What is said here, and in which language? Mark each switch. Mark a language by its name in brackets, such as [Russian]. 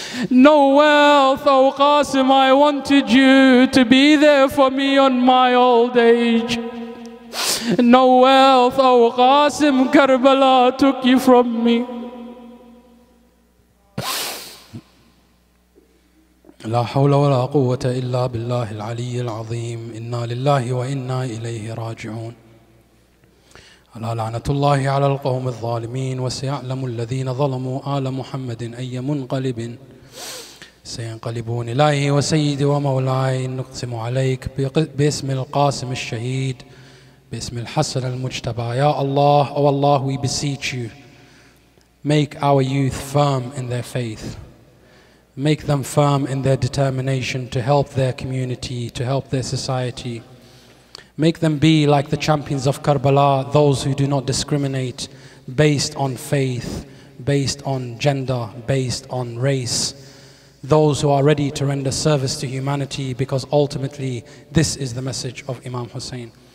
[English] No wealth, oh Qasim, I wanted you to be there for me on my old age. No wealth, oh Qasim, Karbala took you from me. [Arabic] لا حول ولا قوة إلا بالله العلي العظيم إنا لله وإنا إليه راجعون ألا لعنة الله على القوم الظالمين وسيعلم الذين ظلموا آل محمد أي منقلب سينقلبون إلهي وسيدي ومولاي نقسم عليك باسم القاسم الشهيد باسم الحسن المجتبى يا الله أو الله [English] we beseech you make our youth firm in their faith make them firm in their determination to help their community to help their society make them be like the champions of Karbala those who do not discriminate based on faith based on gender based on race those who are ready to render service to humanity because ultimately this is the message of Imam Hussain.